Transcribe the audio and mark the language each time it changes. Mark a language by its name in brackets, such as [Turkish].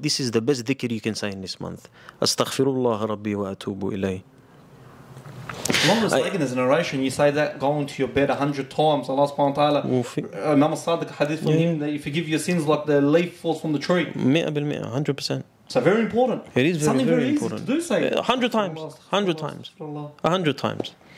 [English] This is the best dhikr you can say in this month. [Arabic] استغفر الله ربي وأتوب إليه. [English] Longest leg in this narration, you say that going to your bed 100 times, Allah subhanahu wa ta'ala, Imam Sadiq hadith from him, that you forgive your sins like the leaf falls from the tree. 100%. So very important. It is very, something very, very important. Something very easy to do, say. 100 times.